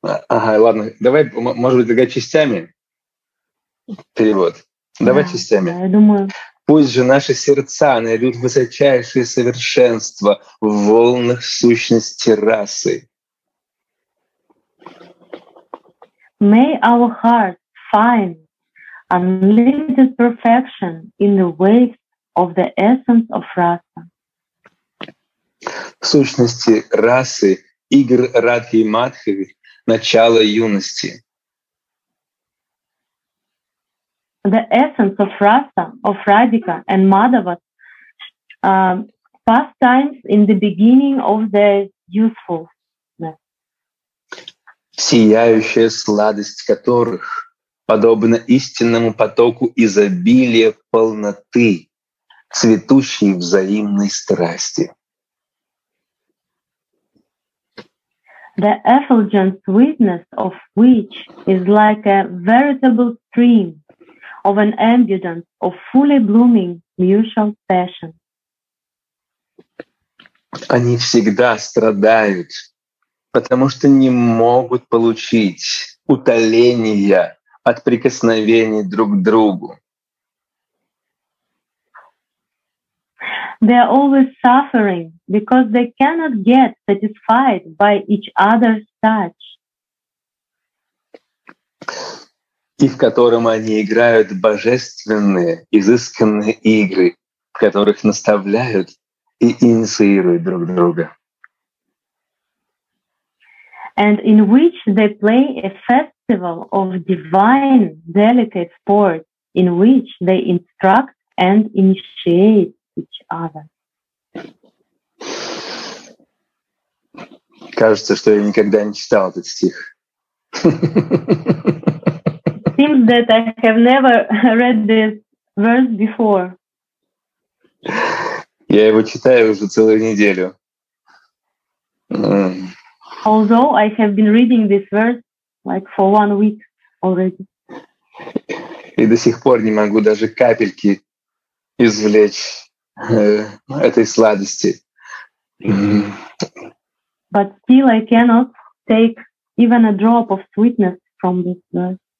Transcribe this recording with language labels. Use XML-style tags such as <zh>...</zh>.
<ru>Ладно, давай, может быть, тогда частями. Перевод. Давай частями. Я думаю. Пусть же наши сердца найдут высочайшее совершенство в волнах сущности расы.</ru> <en>May our hearts find unlimited perfection in the waves of the essence of rasa.</en> <ru>Сущности расы, игр Радхи и Мадхави, начало юности.</ru> <en>The essence of Rasa, of Radhika and Madhava, pastimes in the beginning of their youthfulness.</en> <ru>Сияющая сладость которых подобна истинному потоку изобилия полноты, цветущей взаимной страсти.</ru> <en>The effulgent sweetness of which is like a veritable stream of an abundance of fully blooming mutual passion.</en> <ru>Они всегда страдают, потому что не могут получить утоления от прикосновений друг к другу.</ru> <en>They are always suffering because they cannot get satisfied by each other's touch.</en> <ru>И в котором они играют божественные, изысканные игры, в которых наставляют и инициируют друг друга.</ru> <en>And in which they play a festival of divine, delicate sport, in which they instruct and initiate each other.</en> <ru>Кажется, что я никогда не читал этот стих.</ru> <en>Seems that I have never read this verse before.</en> <ru>Я его читаю уже целую неделю.</ru> <en>Although I have been reading this verse like for one week already.</en> <ru>И до сих пор не могу даже капельки извлечь этой сладости.</ru> <en>But still I cannot take even a drop of sweetness from this verse.</en>